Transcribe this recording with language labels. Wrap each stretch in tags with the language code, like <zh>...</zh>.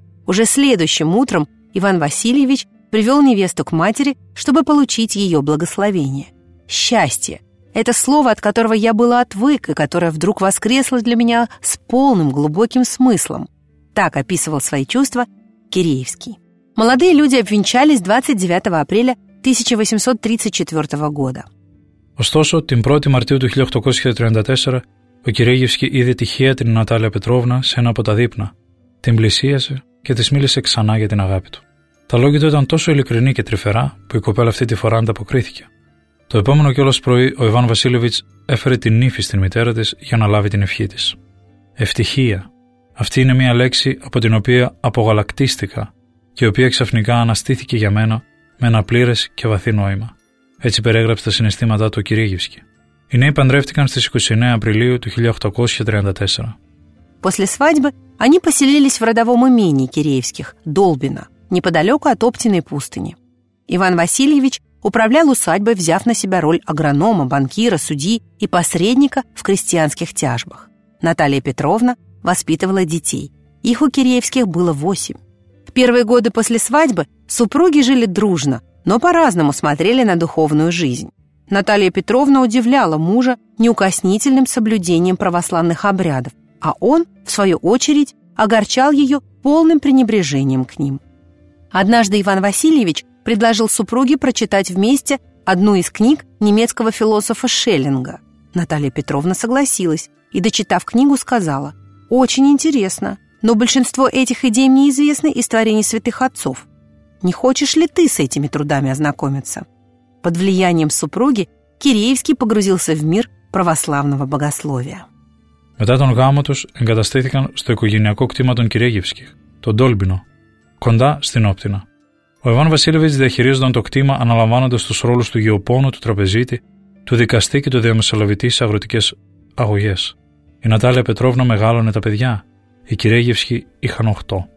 <ru>Уже следующим утром Иван Васильевич привел невесту к матери, чтобы получить ее благословение. «Счастье! Это слово, от которого я была отвык, и которое вдруг воскресло для меня с полным глубоким смыслом», так описывал свои чувства Киреевский. Молодые люди обвенчались 29 апреля 1834 года.</ru> <el>Ωστόσο, την 1η Μαρτίου του 1834, ο Κυρίγευσκι είδε τυχαία την Νατάλια Πετρόβνα σε ένα από τα δείπνα. Την πλησίασε και της μίλησε ξανά για την αγάπη του. Τα λόγια του ήταν τόσο ειλικρινή και τρυφερά, που η κοπέλα αυτή τη φορά ανταποκρίθηκε. Το επόμενο κιόλας πρωί, ο Ιβάν Βασίλεβιτς έφερε την νύφη στην μητέρα της για να λάβει την ευχή της. Ευτυχία. Αυτή είναι μια λέξη από την οποία απογαλακτίστηκα και η οποία ξαφνικά αναστήθηκε για μένα με ένα πλήρες και βαθύ νόημα. Έτσι περιέγραψε τα συναισθήματά του ο Κυρίγευσκι. Οι νέοι παντρεύτηκαν στις 29 Απριλίου του 1834.</el> <ru>После свадьбы они поселились в родовом имении Киреевских, Долбино, неподалеку от Оптиной пустыни. Иван Васильевич управлял усадьбой, взяв на себя роль агронома, банкира, судьи и посредника в крестьянских тяжбах. Наталья Петровна воспитывала детей. Их у Киреевских было 8. В первые годы после свадьбы супруги жили дружно, но по-разному смотрели на духовную жизнь. Наталья Петровна удивляла мужа неукоснительным соблюдением православных обрядов, а он, в свою очередь, огорчал ее полным пренебрежением к ним. Однажды Иван Васильевич предложил супруге прочитать вместе одну из книг немецкого философа Шеллинга. Наталья Петровна согласилась и, дочитав книгу, сказала: «Очень интересно, но большинство этих идей мне известны из творений святых отцов. Не хочешь ли ты с этими трудами ознакомиться?» Под влиянием супруги Киреевский погрузился в мир православного богословия.</ru> <el>Μετά τον γάμο τους εγκαταστήθηκαν στο οικογενειακό κτήμα των Κυρίγευσκιχ, το Ντόλμπινο, κοντά στην Όπτινα. Ο Ιβάν Βασίλεβιτς διαχειρίζονταν το κτήμα αναλαμβάνοντας τους ρόλους του γεωπόνου, του τραπεζίτη, του δικαστή και του διαμεσολαβητή σε αγροτικές αγωγές. Η Νατάλια Πετρόβνα μεγάλωνε τα παιδιά. Οι Κυρίγευσκοι είχαν 8.</el>